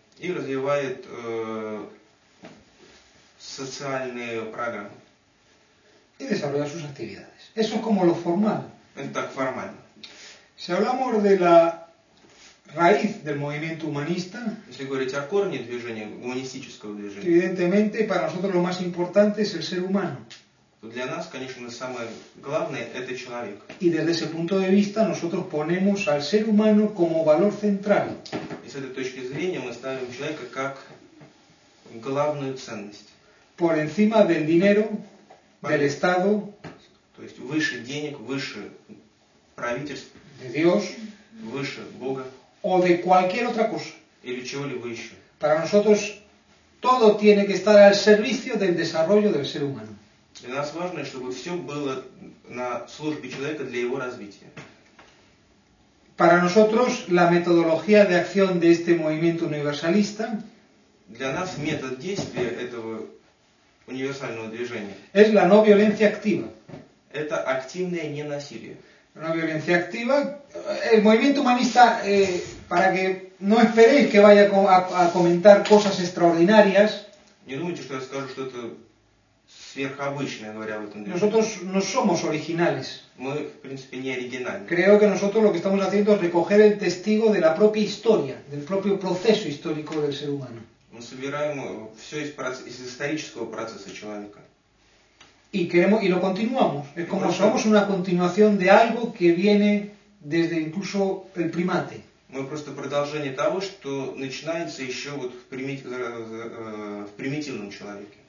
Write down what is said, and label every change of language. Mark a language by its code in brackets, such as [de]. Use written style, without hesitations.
[ru] И развивает социальные программы. [es] И desarrolla sus actividades. Eso es como lo formal. [ru] Это так формально. [es] Si hablamos de la raíz del movimiento humanista, [ru] если говорить о корне движения, гуманистического движения, [es] evidentemente para nosotros lo más importante es el ser humano. [ru] Для нас, конечно, самое главное – это человек. [es] Y desde ese punto de vista nosotros ponemos al ser humano como valor central. [ru] И с этой точки зрения мы ставим человека как главную ценность. [es] Por encima del dinero, del Estado. [ru] То есть выше денег, выше правительств. [es] De Dios, [ru] выше Бога, [es] o de cualquier otra cosa. [ru] Или чего-либо еще. [es] Para nosotros todo tiene que estar al servicio del desarrollo del ser humano. [ru] Для нас важно, чтобы все было на службе человека для его развития. [es] Para nosotros la metodología de acción de este movimiento universalista. [ru] Для нас метод действия этого универсального движения. [es] Es la no violencia activa. [ru] Это активное ненасилие. [es] Una violencia activa. El movimiento humanista, para que no esperéis que vaya a comentar cosas extraordinarias. [ru] Не думайте, что я скажу что-то сверхобычное, говоря об этом. [es] Nosotros no somos originales. [ru] Мы, в принципе, не оригинальны. [es] Creo que nosotros lo que estamos haciendo es recoger el testigo de la propia historia, del propio proceso histórico del ser humano. [ru] Мы собираем все из исторического процесса человека. [es] Y queremos y lo continuamos. Es como somos una continuación de algo que viene desde incluso el primate. [ru] Мы просто продолжение того, что начинается еще вот в примитивном человеке.